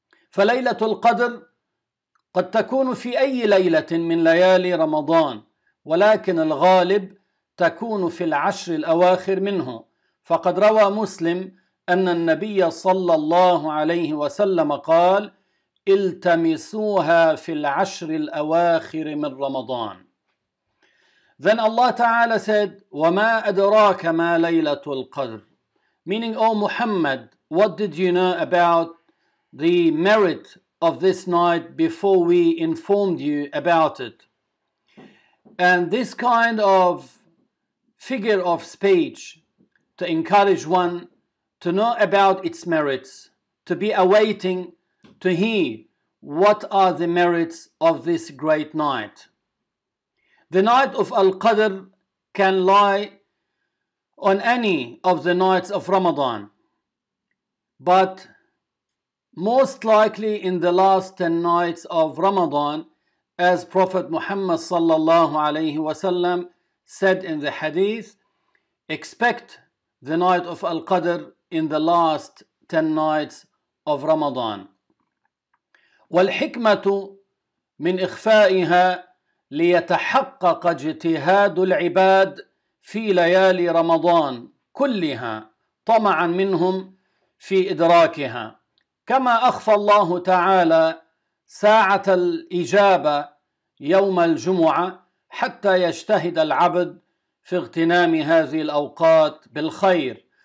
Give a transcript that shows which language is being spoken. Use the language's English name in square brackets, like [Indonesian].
[Arabic] فليلة القدر قد تكون في أي ليلة من ليالي رمضان, ولكن الغالب تكون في العشر الأواخر منه. فقد روى مسلم أن النبي صلى الله عليه وسلم قال التمسوها في العشر الأواخر من رمضان. [English] Then Allah Ta'ala said, [Arabic] وما أدراك ما ليلة القدر, [English] meaning, O Muhammad, what did you know about the merit of this night before we informed you about it? And this kind of figure of speech to encourage one to know about its merits, to be awaiting to hear what are the merits of this great night. The night of Al-Qadr can lie on any of the nights of Ramadan, but most likely in the last 10 nights of Ramadan, as Prophet Muhammad sallallahu alayhi wasallam said in the hadith, expect the night of Al-Qadr in the last 10 nights of Ramadan. [Arabic] والحكمة من إخفائها ليتحقق اجتهاد العباد في ليالي رمضان كلها طمعا منهم في إدراكها كما أخفى الله تعالى ساعة الإجابة يوم الجمعة حتى يجتهد العبد في اغتنام هذه الأوقات بالخير.